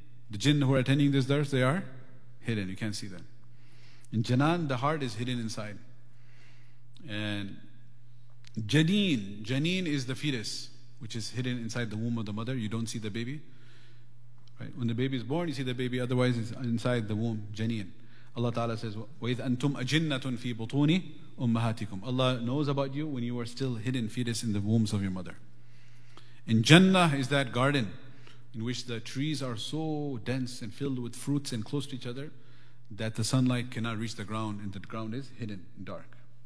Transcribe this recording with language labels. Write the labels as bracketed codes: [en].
[en] The jinn who are attending this dars, they are hidden. You can't see them. In janan, the heart is hidden inside. And janin is the fetus, which is hidden inside the womb of the mother. You don't see the baby, right? When the baby is born, you see the baby. Otherwise, it's inside the womb, janin. Allah Ta'ala says, [ar] وَإِذْ أَنْتُمْ أَجِنَّةٌ فِي بُطُونِ أُمَّهَاتِكُمْ. [en] Allah knows about you when you are still hidden fetus in the wombs of your mother. And Jannah is that garden in which the trees are so dense and filled with fruits and close to each other that the sunlight cannot reach the ground, and the ground is hidden and dark.